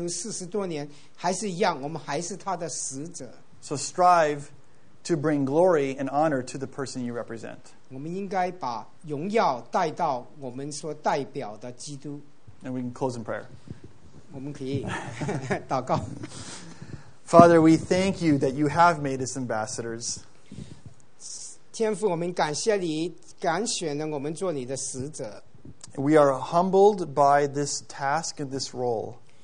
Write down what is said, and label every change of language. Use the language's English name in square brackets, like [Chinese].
[Chinese] 你今天才是变了基督徒，还是你已经做了一个基督徒40多年，还是一样，我们还是他的使者。 [English] So strive to bring glory and honor to the person you represent. [Chinese] 我们应该把荣耀带到我们所代表的基督。And [English] we can close in prayer. [Chinese] 我们可以祷告。Father, [English] we thank you that you have made us ambassadors. [Chinese] 天父，我们感谢你，拣选了我们做你的使者。We [English] are humbled by this task and this role.